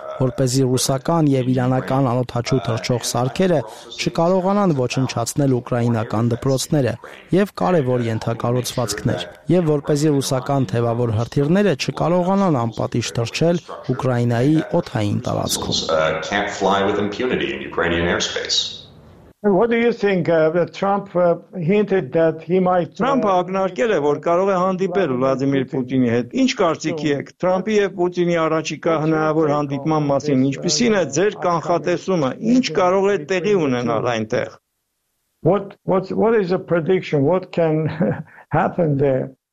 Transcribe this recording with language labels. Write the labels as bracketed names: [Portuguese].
[Armenian] որպեսզի ռուսական և իրանական անօթաչու թռչող սարքերը չկարողանան ոչնչացնել ուկրաինական դպրոցները և կարևոր ենթակառուցվածքներ, և որպեսզի ռուսական թևավոր հրթիռները չկարողանան անպատիժ թռչել Ուկրաինայի օթային տարածքում։ [English] What do you think that Trump hinted that he might [Armenian] Trump ակնարկել է որ կարող է հանդիպել Վլադիմիր Պուտինի հետ։ Ինչ կարծիքի եք Թրամփի եւ Պուտինի առաջիկա հնարավոր հանդիպման մասին, ինչպիսին է ձեր կանխատեսումը, ինչ կարող է տեղի ունենալ այնտեղ։ [English] What is a prediction, what can happen there?